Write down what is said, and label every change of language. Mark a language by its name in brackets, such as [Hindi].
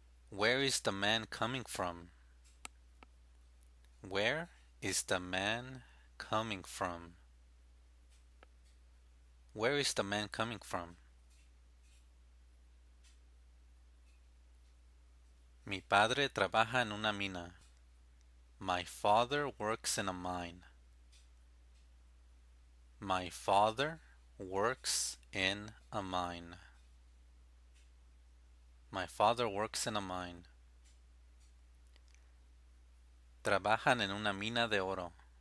[English] Where is the man coming from? Where is the man coming from? Where is the man coming from? [Spanish] Mi padre trabaja en una mina. [English] My father works in a mine. My father works in a mine. My father works in a mine. [Spanish] Trabajan en una mina de oro.